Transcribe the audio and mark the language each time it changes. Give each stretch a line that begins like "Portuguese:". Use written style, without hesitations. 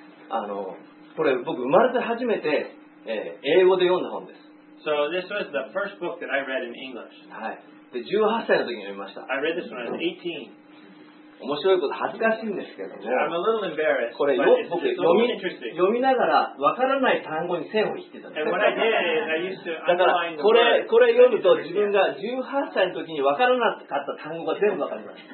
Japanese: あの、これ僕生まれて初めて、英語で読んだ本です。
English: So this was the first book that I read in English.
Japanese: はい。で、18歳の時に読みました。
English: I read this when I was 18.
Japanese: 面白いこと恥ずかしいんですけども、
English: ね、I'm a embarrassed,
Japanese: これ僕読みながらわからない単語に線を引いてたんです
English: 。 Did,
Japanese: だからこれ読むと自分が18歳の時にわからなかった単語が全部わかります。